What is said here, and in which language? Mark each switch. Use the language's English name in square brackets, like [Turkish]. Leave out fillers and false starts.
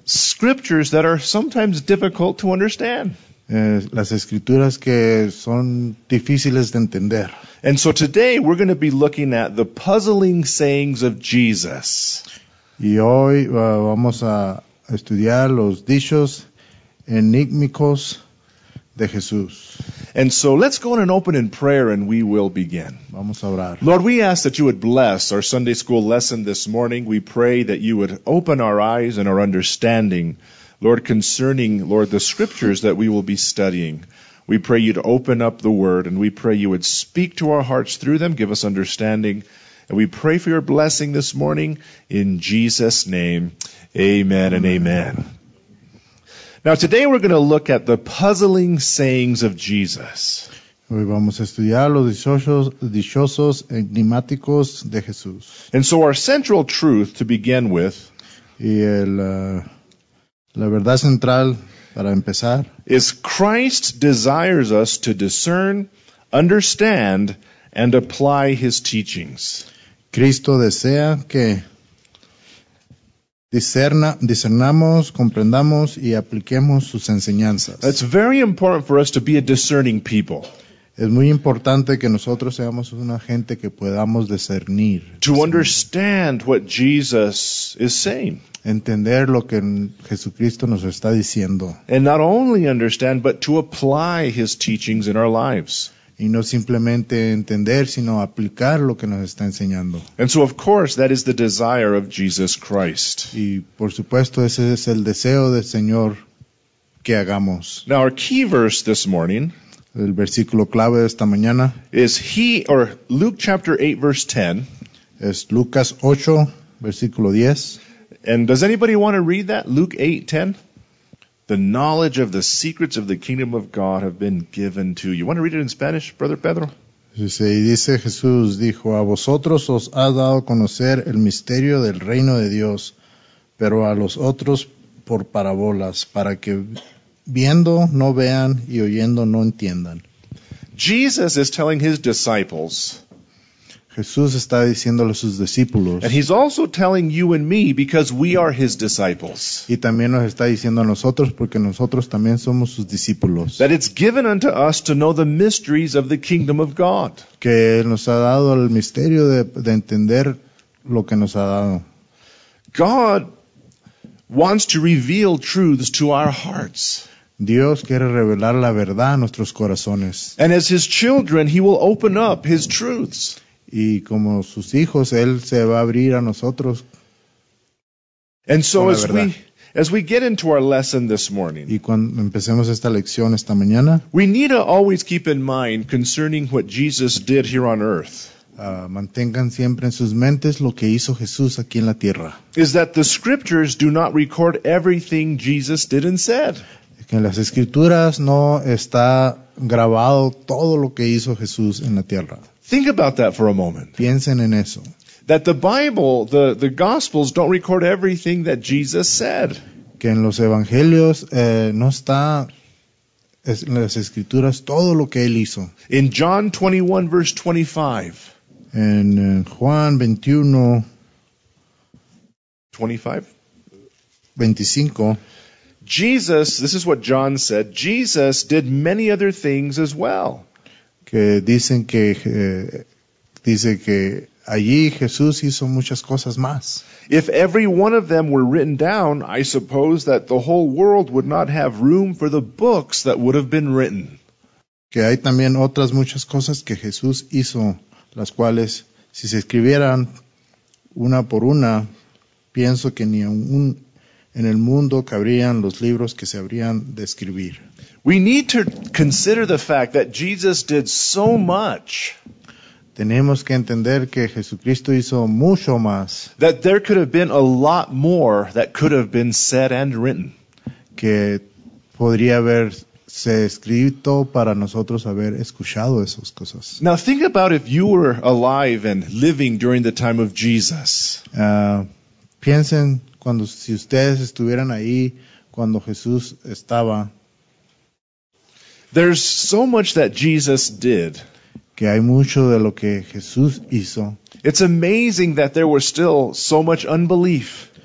[English] Scriptures that are sometimes difficult to understand. [Spanish] Las escrituras que son difíciles de entender. [English] And so today we're going to be looking at the puzzling sayings of Jesus. [Spanish] Y hoy vamos a estudiar los dichos enigmáticos de Jesús. [English] And so let's go on and open in prayer and we will begin. [Spanish] Vamos a orar. [English] Lord, we ask that you would bless our Sunday school lesson this morning. We pray that you would open our eyes and our understanding, Lord, concerning, Lord, the scriptures that we will be studying. We pray you'd open up the word and we pray you would speak to our hearts through them, give us understanding. And we pray for your blessing this morning in Jesus' name. Amen and amen. Now today we're going to look at the puzzling sayings of Jesus. [Spanish] Hoy vamos a estudiar los dichosos enigmáticos de Jesús. [English] And so our central truth to begin with, [Spanish] y la verdad central para empezar, [English] is Christ desires us to discern, understand, and apply his teachings. [Spanish] Cristo desea que discernamos, comprendamos y apliquemos sus enseñanzas. [English] It's very important for us to be a discerning people. [Spanish] Es muy importante que nosotros seamos una gente que podamos discernir. [English] To understand what Jesus is saying. [Spanish] Entender lo que Jesucristo nos está diciendo. [English] And not only understand, but to apply his teachings in our lives. [Spanish] Y no simplemente entender, sino aplicar lo que nos está enseñando. [English] And so, of course, that is the desire of Jesus Christ. [Spanish] Y, por supuesto, ese es el deseo del Señor que hagamos. [English] Now, our key verse this morning, [Spanish] el versículo clave de esta mañana, [English] is Luke chapter 8, verse 10. [Spanish] Es Lucas 8, versículo 10. [English] And does anybody want to read that? Luke 8, 10? The knowledge of the secrets of the kingdom of God have been given to you. You want to read it in Spanish, Brother Pedro? [Spanish] Sí, dice Jesús, dijo, a vosotros os ha dado conocer el misterio del reino de Dios, pero a los otros por parábolas, para que viendo no vean y oyendo no entiendan. [English] Jesus is telling his disciples. [Spanish] Jesús está diciéndole a sus discípulos. [English] And he's also telling you and me because we are his disciples. [Spanish] Y también nos está diciendo a nosotros porque nosotros también somos sus discípulos. [English] That it's given unto us to know the mysteries of the kingdom of God. [Spanish] Que nos ha dado el misterio de entender lo que nos ha dado. [English] God wants to reveal truths to our hearts. [Spanish] Dios quiere revelar la verdad a nuestros corazones. [English] And as his children, he will open up his truths. [Spanish] Y como sus hijos, él se va a abrir a nosotros. [English] And so as we get into our lesson this morning, [Spanish] y cuando empecemos esta lección esta mañana, [English] we need to always keep in mind concerning what Jesus did here on earth. [Spanish] Mantengan siempre en sus mentes lo que hizo Jesús aquí en la tierra. [English] Is that the scriptures do not record everything Jesus did and said. [Spanish] Que en las escrituras no está grabado todo lo que hizo Jesús en la tierra. [English] Think about that for a moment. [Spanish] Piensen en eso. [English] That the Bible, the Gospels, don't record everything that Jesus said. [Spanish] Que en los evangelios no está en las escrituras todo lo que él hizo. [English] In John 21, verse 25. [Spanish] En Juan 21, 25. [English] Jesus, this is what John said, Jesus did many other things as well. [Spanish] Que dicen que dice que allí Jesús hizo muchas cosas más. [English] If every one of them were written down, I suppose that the whole world would not have room for the books that would have been written. [Spanish] Que hay también otras muchas cosas que Jesús hizo, las cuales si se escribieran una por una, pienso que ni aún en el mundo cabrían los libros que se habrían de escribir. [English] We need to consider the fact that Jesus did so much. [Spanish] Tenemos que entender que Jesucristo hizo mucho más. [English] That there could have been a lot more that could have been said and written. [Spanish] Que podría haberse escrito para nosotros haber escuchado esas cosas. [English] Now think about if you were alive and living during the time of Jesus. [Spanish] Piensen cuando si ustedes estuvieran ahí cuando Jesús estaba. [English] There's so much that Jesus did. [Spanish] Que hay mucho de lo que Jesús hizo. [English] It's amazing that there was still so much unbelief.